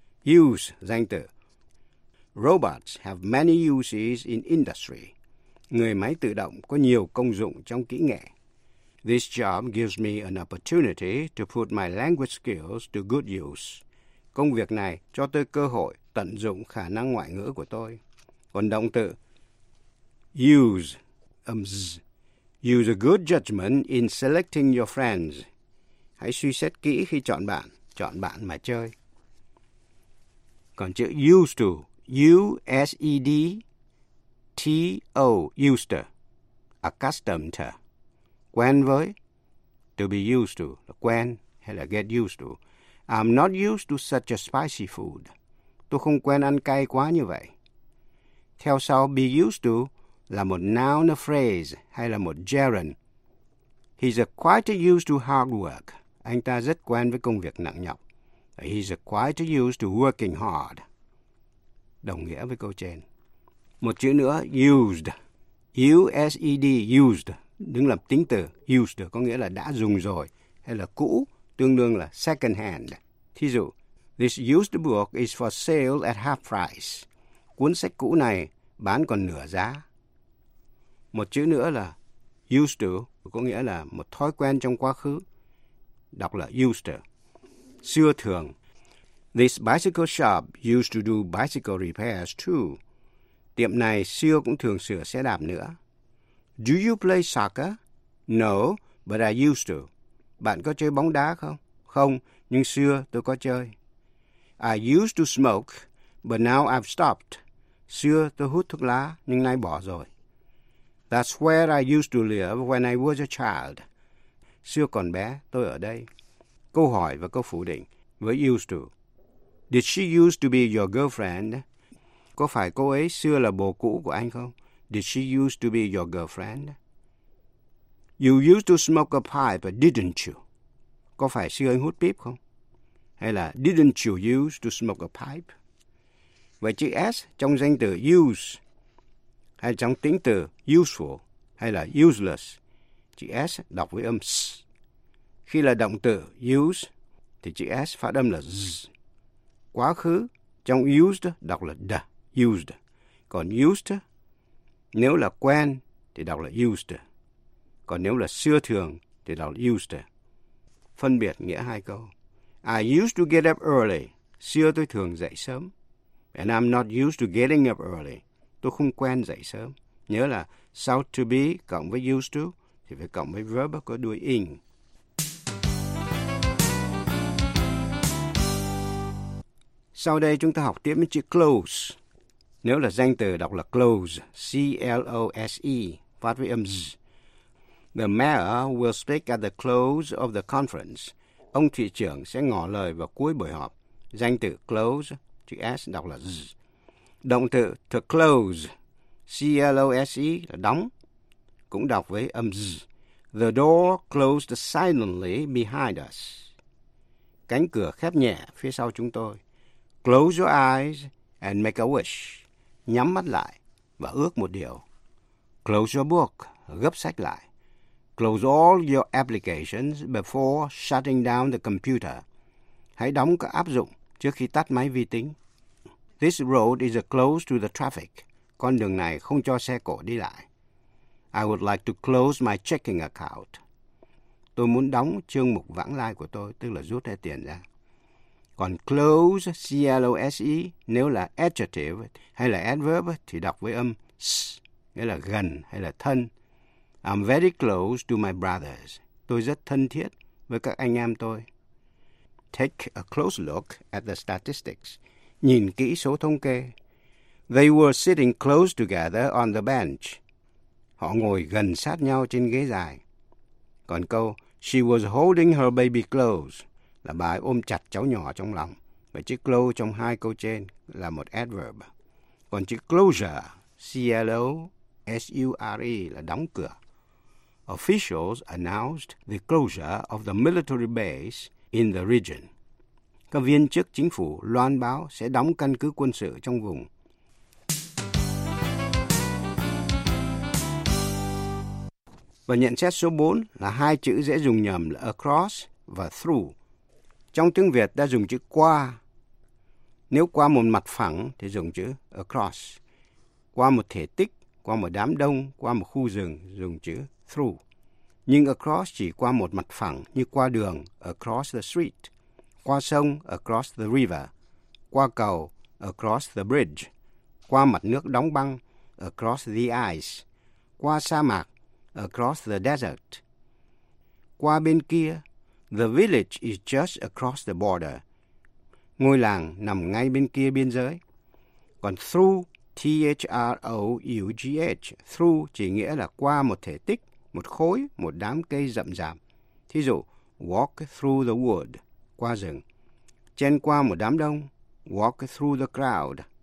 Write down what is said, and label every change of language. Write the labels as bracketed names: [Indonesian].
[Vietnamese] Use, danh từ. [English] Robots have many uses in industry. [Vietnamese] Người máy tự động có nhiều công dụng trong kỹ nghệ. [English] This job gives me an opportunity to put my language skills to good use. [Vietnamese] Công việc này cho tôi cơ hội tận dụng khả năng ngoại ngữ của tôi. Còn động từ [English] use, use a good judgment in selecting your friends. [Vietnamese] Hãy suy xét kỹ khi chọn bạn mà chơi. Còn chữ used to, U-S-E-D-T-O, used to, accustomed to. Quen với, to be used to, là quen hay là get used to. [English] I'm not used to such a spicy food. [Vietnamese] Tôi không quen ăn cay quá như vậy. Theo sau, [English] be used to [Vietnamese] là một noun, a phrase, hay là một gerund. [English] He's quite used to hard work. [Vietnamese] Anh ta rất quen với công việc nặng nhọc. [English] He's quite used to working hard. [Vietnamese] Đồng nghĩa với câu trên. Một chữ nữa, used. U-S-E-D, used. Đứng làm tính từ, used có nghĩa là đã dùng rồi, hay là cũ, tương đương là second hand. Thí dụ, [English] this used book is for sale at half price. [Vietnamese] Cuốn sách cũ này bán còn nửa giá. Một chữ nữa là used to, có nghĩa là một thói quen trong quá khứ. Đọc là used to. Xưa thường, [English] this bicycle shop used to do bicycle repairs too. [Vietnamese] Tiệm này xưa cũng thường sửa xe đạp nữa. [English] Do you play soccer? No, but I used to. [Vietnamese] Bạn có chơi bóng đá không? Không, nhưng xưa tôi có chơi. [English] I used to smoke, but now I've stopped. [Vietnamese] Xưa tôi hút thuốc lá, nhưng nay bỏ rồi. [English] That's where I used to live when I was a child. [Vietnamese] Xưa còn bé, tôi ở đây. Câu hỏi và câu phủ định với used to. [English] Did she used to be your girlfriend? [Vietnamese] Có phải cô ấy xưa là bồ cũ của anh không? [English] Did she used to be your girlfriend? You used to smoke a pipe, didn't you? [Vietnamese] Có phải xưa anh hút pip không? Hay là [English] didn't you used to smoke a pipe? [Vietnamese] Vậy chữ S trong danh từ use hay trong tính từ useful hay là useless? Chữ S đọc với âm S. Khi là động từ use thì chữ S phát âm là Z. Quá khứ trong used đọc là D, used. Còn used nếu là quen thì đọc là used. Còn nếu là xưa thường thì đọc là used. Phân biệt nghĩa hai câu. [English] I used to get up early. [Vietnamese] Xưa tôi thường dậy sớm. [English] And I'm not used to getting up early. [Vietnamese] Tôi không quen dậy sớm. Nhớ là sau to be cộng với used to thì phải cộng với verb có đuôi ing. Sau đây chúng ta học tiếp với chữ close. Nếu là danh từ đọc là close, C-L-O-S-E, phát với âm Z. [English] The mayor will speak at the close of the conference. [Vietnamese] Ông thị trưởng sẽ ngỏ lời vào cuối buổi họp. Danh từ close, chữ S đọc là Z. Động từ to close, C-L-O-S-E, là đóng, cũng đọc với âm Z. [English] The door closed silently behind us. [Vietnamese] Cánh cửa khép nhẹ phía sau chúng tôi. [English] Close your eyes and make a wish. [Vietnamese] Nhắm mắt lại và ước một điều. [English] Close your book, [Vietnamese] gấp sách lại. [English] Close all your applications before shutting down the computer. [Vietnamese] Hãy đóng các áp dụng trước khi tắt máy vi tính. [English] This road is closed to the traffic. [Vietnamese] Con đường này không cho xe cộ đi lại. [English] I would like to close my checking account. [Vietnamese] Tôi muốn đóng chương mục vãng lai của tôi, tức là rút hết tiền ra. Còn close, C-L-O-S-E, nếu là adjective hay là adverb thì đọc với âm S, nghĩa là gần hay là thân. [English] I'm very close to my brothers. [Vietnamese] Tôi rất thân thiết với các anh em tôi. [English] Take a close look at the statistics. [Vietnamese] Nhìn kỹ số thống kê. [English] They were sitting close together on the bench. [Vietnamese] Họ ngồi gần sát nhau trên ghế dài. Còn câu, [English] she was holding her baby close. [Vietnamese] Là bà ôm chặt cháu nhỏ trong lòng. Và chữ close trong hai câu trên là một adverb. Còn chữ closure, C-L-O-S-U-R-E, là đóng cửa. Officials announced the closure of the military base in the region. Các viên chức chính phủ loan báo sẽ đóng căn cứ quân sự trong vùng. Và nhận xét số 4 là hai chữ dễ dùng nhầm là across và through. Trong tiếng Việt ta dùng chữ qua. Nếu qua một mặt phẳng thì dùng chữ across. Qua một thể tích, qua một đám đông, qua một khu rừng dùng chữ through. Nhưng across chỉ qua một mặt phẳng như qua đường, [English] across the street. [Vietnamese] Qua sông, [English] across the river. [Vietnamese] Qua cầu, [English] across the bridge. [Vietnamese] Qua mặt nước đóng băng, [English] across the ice. [Vietnamese] Qua sa mạc, [English] across the desert. [Vietnamese] Qua bên kia, [English] the village is just across the border. [Vietnamese] Ngôi làng nằm ngay bên kia biên giới. Còn through, T-H-R-O-U-G-H, through chỉ nghĩa là qua một thể tích, một khối, một đám cây rậm rạp. Thí dụ, [English] walk through the wood, [Vietnamese] qua rừng. Chen qua một đám đông, [English] walk through the crowd.